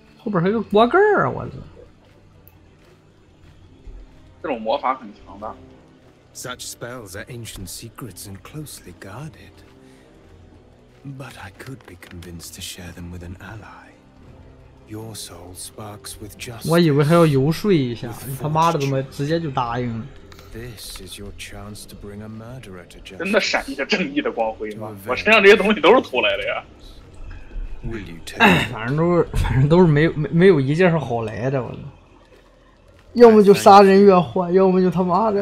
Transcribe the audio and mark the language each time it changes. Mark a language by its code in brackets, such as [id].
[zh] 后边还有个锅盖儿啊！我操，这种魔法很强大。 [en] Such spells are ancient secrets and closely guarded, but I could be convinced to share them with an ally. Your soul sparks with justice, [zh] 我以为还要游说一下，你他妈的怎么直接就答应了？ [en] This is your chance to bring a murderer to justice, [zh] 真的闪一下正义的光辉吗？我身上这些东西都是偷来的呀！ [en] Will you take? [zh] 反正都是没有一件是好来的，我操！要么就杀人越货，要么就他妈的，